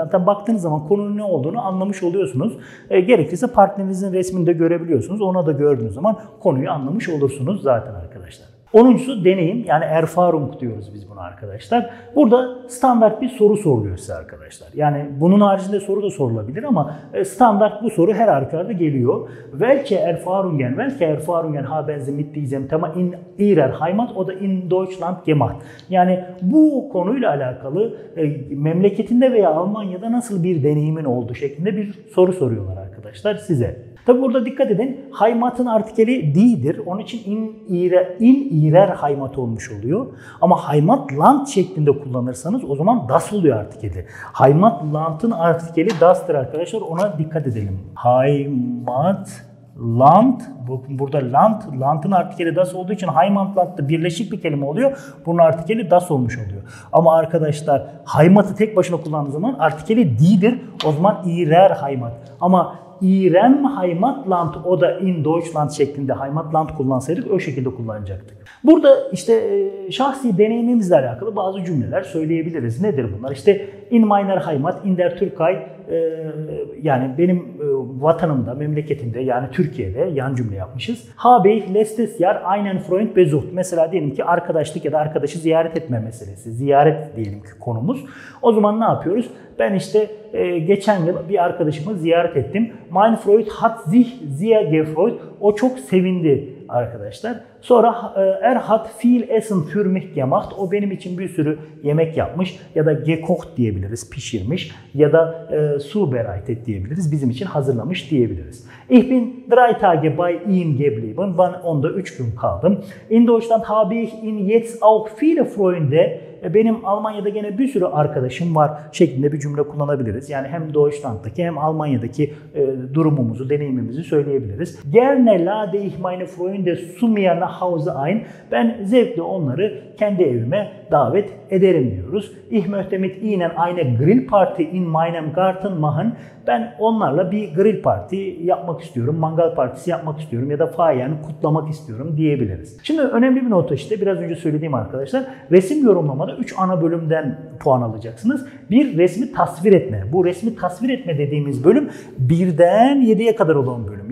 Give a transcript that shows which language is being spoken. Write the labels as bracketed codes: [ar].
[tr] Yani tam baktığınız zaman konunun ne olduğunu anlamış oluyorsunuz. Gerekirse partnerinizin resmini de görebiliyorsunuz. Ona da gördüğünüz zaman konuyu anlamış olursunuz zaten arkadaşlar. Onuncusu deneyim, yani Erfahrung diyoruz biz buna arkadaşlar. Burada standart bir soru soruluyor size arkadaşlar. Yani bunun haricinde soru da sorulabilir ama standart bu soru her arkada geliyor. [de] Welche Erfahrungen, haben Sie mit diesem Thema in Ihrer Heimat oder in Deutschland gemacht? [tr] Yani bu konuyla alakalı memleketinde veya Almanya'da nasıl bir deneyimin oldu şeklinde bir soru soruyorlar arkadaşlar size. Tabi burada dikkat edin, Heimat'ın artikeli D'dir. Onun için in ihrer Heimat olmuş oluyor. Ama Heimat Land şeklinde kullanırsanız o zaman Das oluyor artikeli. Heimat Land'ın artikeli Das'tır arkadaşlar. Ona dikkat edelim. Heimat Land, bakın burada Land, Land'ın artikeli Das olduğu için Heimat Land'da birleşik bir kelime oluyor. Bunun artikeli Das olmuş oluyor. Ama arkadaşlar Heimat'ı tek başına kullandığı zaman artikeli D'dir. O zaman ihrer Heimat. Ama İrem Heimatland, o da in Deutschland şeklinde Heimatland kullansaydık o şekilde kullanacaktık. Burada işte şahsi deneyimimizle alakalı bazı cümleler söyleyebiliriz. Nedir bunlar? İşte [de] in meiner Heimat, in der Türkei, [tr] yani benim vatanımda, memleketimde, yani Türkiye'de yan cümle yapmışız. [de] Habe ich letztes Jahr einen Freund besucht. [tr] Mesela diyelim ki arkadaşlık ya da arkadaşı ziyaret etme meselesi. Ziyaret diyelim ki konumuz. O zaman ne yapıyoruz? Ben işte geçen yıl bir arkadaşımı ziyaret ettim. [de] Mein Freund hat sich sehr gefreut. [tr] O çok sevindi arkadaşlar. Sonra [de] er hat viel Essen für mich gemacht. [tr] O benim için bir sürü yemek yapmış. Ya da gekocht diyebiliriz, pişirmiş. Ya da zubereitet diyebiliriz, bizim için hazırlamış diyebiliriz. [de] Ich bin drei Tage bei ihm geblieben. [tr] Ben onda 3 gün kaldım. [de] In Deutschland habe ich ihn jetzt auch viele Freunde. [tr] Benim Almanya'da gene bir sürü arkadaşım var şeklinde bir cümle kullanabiliriz. Yani hem Deutschland'daki hem Almanya'daki durumumuzu, deneyimimizi söyleyebiliriz. [de] Gerne lade ich meine Freunde zu mir nach Hause ein. [tr] Ben zevkle onları kendi evime davet ederim diyoruz. [de] Ich möchte mit ihnen eine Grillparty in meinem Garten machen. [tr] Ben onlarla bir grill parti yapmak istiyorum, mangal partisi yapmak istiyorum ya da fayanı kutlamak istiyorum diyebiliriz. Şimdi önemli bir nota işte biraz önce söylediğim arkadaşlar. Resim yorumlamada 3 ana bölümden puan alacaksınız. Bir resmi tasvir etme. Bu resmi tasvir etme dediğimiz bölüm birden yediye kadar olan bölüm.